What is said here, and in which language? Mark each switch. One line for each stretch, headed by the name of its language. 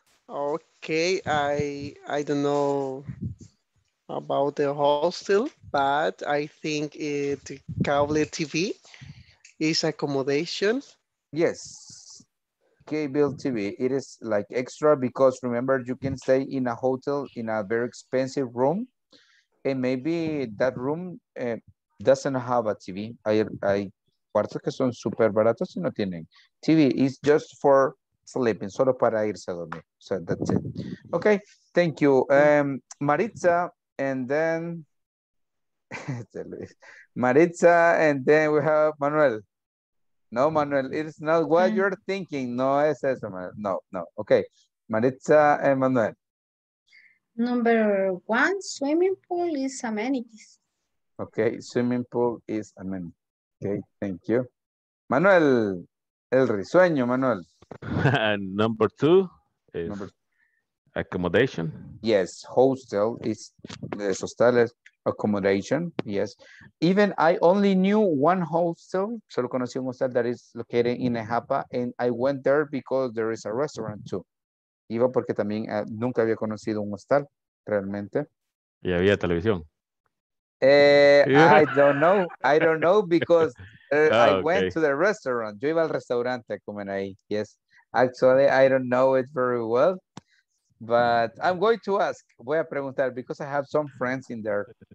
English: Okay, I don't know about the hostel, but I think it cable TV is accommodation. Yes, cable TV, it is like extra because remember you can stay in a hotel in a very expensive room and maybe that room doesn't have a TV.
Spanish: Hay cuartos que son super baratos y no tienen TV.
English: It's just for sleeping,
Spanish: solo para irse a dormir.
English: So that's it. Okay, thank you. Maritza, and then Maritza, and then we have Manuel. No, Manuel, it's not what you're thinking.
Spanish: No, es eso, Manuel.
English: No, no. Okay, Maritza and Manuel. Number one, swimming pool is amenities. Okay, swimming pool is amenities. Okay, thank you.
Spanish: Manuel, el risueño, Manuel.
English: Number two is accommodation. Yes, hostel is hostel accommodation. Yes, even I only knew one hostel.
Spanish: Solo conocí un
English: hostel that is located in Ejapa, and I went there because there is a restaurant too.
Spanish: Iba porque también nunca había conocido un hostel realmente. ¿Y había televisión?
English: I don't know. I don't know because I went to the restaurant.
Spanish: Yo iba al restaurante a comer ahí.
English: Yes, actually I don't know it very well. But I'm going to ask,
Spanish: voy a preguntar,
English: because I have some friends in there.